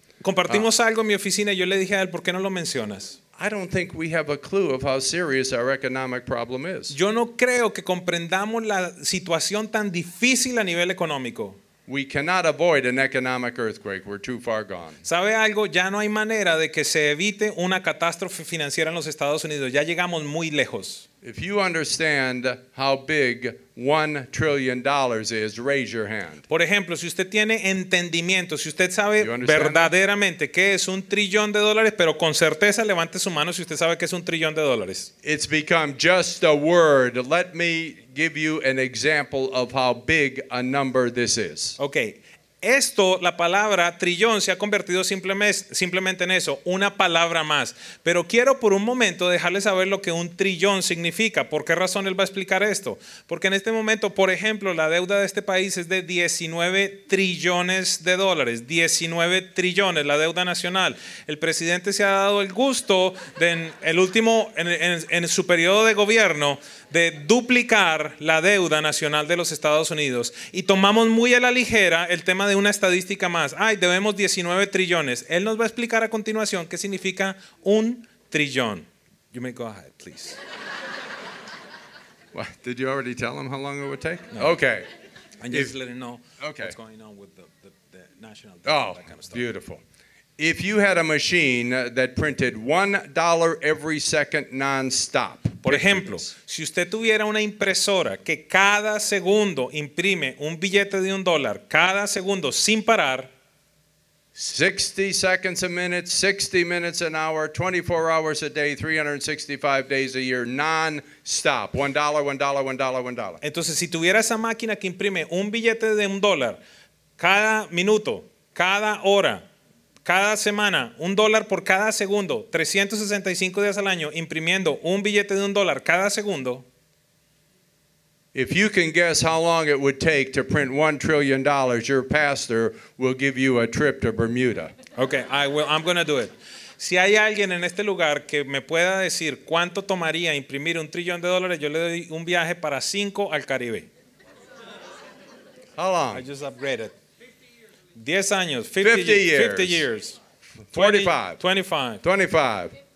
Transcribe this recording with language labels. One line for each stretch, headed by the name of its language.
Spanish: Compartimos algo en mi oficina y yo le dije a él, ¿por qué no lo mencionas?
English: I don't think we have a clue of how serious our economic problem is.
Spanish: Yo no creo que comprendamos la situación tan difícil a nivel económico.
English: We cannot avoid an economic earthquake. We're too far gone.
Spanish: ¿Sabe algo? Ya no hay manera de que se evite una catástrofe financiera en los Estados Unidos. Ya llegamos muy lejos.
English: If you understand how big $1 trillion is, raise your hand.
Spanish: Por ejemplo, si usted tiene entendimiento, si usted sabe verdaderamente qué es $1 trillion, pero con certeza levante su mano si usted sabe qué es $1 trillion.
English: It's become just a word. Let me give you an example of how big a number this is. Okay.
Spanish: Esto, la palabra trillón, se ha convertido simplemente en eso, una palabra más. Pero quiero por un momento dejarles saber lo que un trillón significa. ¿Por qué razón él va a explicar esto? Porque en este momento, por ejemplo, la deuda de este país es de $19 trillones. 19 trillones, la deuda nacional. El presidente se ha dado el gusto de en su periodo de gobierno de duplicar la deuda nacional de los Estados Unidos. Y tomamos muy a la ligera el tema de una estadística más. Ay, debemos 19 trillones. Él nos va a explicar a continuación qué significa un
English: trillón. You may go ahead, please. What? Did you already tell him how long it would take? No. Okay. I'm just letting know what's going on with the national debt, that kind of stuff. Beautiful. If you had a machine that printed $1 every second nonstop.
Spanish: Por ejemplo, si usted tuviera una impresora que cada segundo imprime un billete de un dólar, cada segundo sin parar.
English: 60 seconds a minute, 60 minutes an hour, 24 hours a day, 365 days a year, non-stop. $1, $1, $1, $1.
Spanish: Entonces, si tuviera esa máquina que imprime un billete de un dólar, cada minuto, cada hora, cada semana, un dólar por cada segundo, 365 días al año, imprimiendo un billete de un dólar cada segundo.
English: If you can guess how long it would take to print $1 trillion, your pastor will give you a trip to Bermuda. Okay, I'm going to do it.
Spanish: Si hay alguien en este lugar que me pueda decir cuánto tomaría imprimir un trillón de dólares, yo le doy un viaje para cinco al Caribe.
English: How long? I just upgraded.
Spanish: 10 años.
English: 50 years. 25.